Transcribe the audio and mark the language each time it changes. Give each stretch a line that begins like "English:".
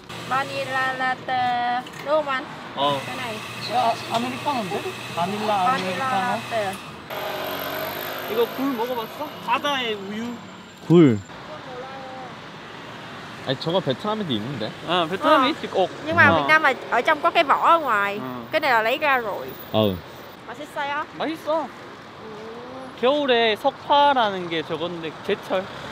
Korean: 바닐라 라떼. 로만. 어. 아메리카노인데? 바닐라 아메리카노. 이거 굴 먹어봤어? 바다의 우유. 굴. 아니 저거 베트남에도 있는데. 아 베트남에 있지. 어. 꼭.
Vietnamese: Nhưng mà Việt Nam ở trong có cái vỏ ở ngoài. Cái này là lấy ra rồi.
Korean: 어. 맛있어요? 맛있어. 겨울에 석파라는 게 저건데 제철.